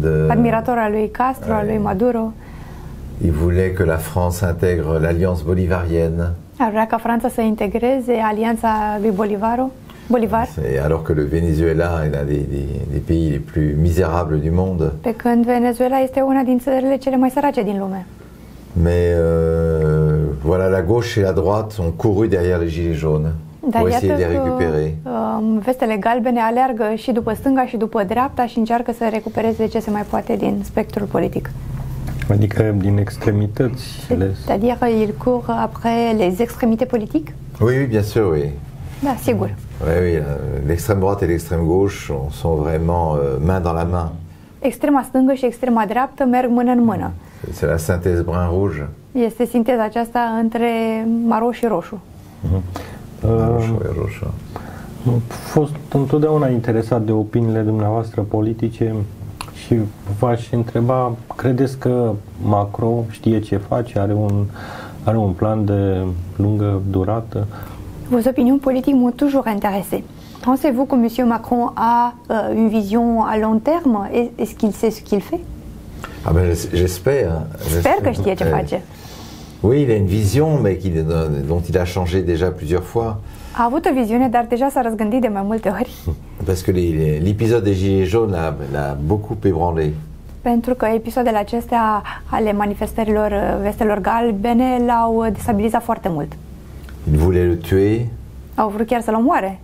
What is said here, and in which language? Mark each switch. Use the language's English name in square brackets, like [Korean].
[French] Admirateur à lui Castro, à lui Maduro. Il voulait que la France intègre l'Alliance bolivarienne. [Romanian] Ar vrea ca Franța să integreze Alianța lui Bolivar. [French] C'est alors que le Venezuela est l'un des pays les plus misérables du monde. [Romanian] Pe când Venezuela este una din țările cele mai sărace din lume. [French] Mais voilà, la gauche et la droite ont couru derrière les gilets jaunes. [Romanian] Dar [French] pour essayer de les récupérer. [Romanian] Vestele galbene aleargă și după stânga și după dreapta și încearcă să recupereze ce se mai poate din spectrul politic. Adică din extremități. [French] C'est-à-dire ils courent après les extrémités politiques? Oui, bien sûr, oui. [Romanian] Da, sigur. [French] Oui, l'extrême droite et l'extrême gauche sont vraiment main dans la main. [Romanian] Extrema stângă și extrema dreaptă merg mână în mână. [French] C'est la synthèse brun-rouge. [Romanian] Este sinteza aceasta între maro și roșu. Maro și roșu. Fost întotdeauna interesat de opiniile dumneavoastră politice și v-aș întreba, credeți că Macron știe ce face, are un plan de lungă durată? [French] Vos opinions politiques m'ont toujours intéressé. Pensez-vous que M. Macron a une vision à long terme? Est-ce qu'il sait ce qu'il fait? Ah ben, j'espère. J'espère que je sais ce qu'il fait. Oui, il a une vision, mais dont il a changé déjà plusieurs fois. [Romanian] A avut o viziune, dar [French] déjà [Romanian] s-a răzgândit de mai multe ori. [French] Parce que l'épisode des Gilets jaunes l'a beaucoup ébranlé. [Romanian] Pentru că episoadele acestea ale manifestărilor vestelor galbene l-au destabilizat foarte mult. [French] Il voulait le tuer. [Romanian] Au vrut chiar să-l omoare.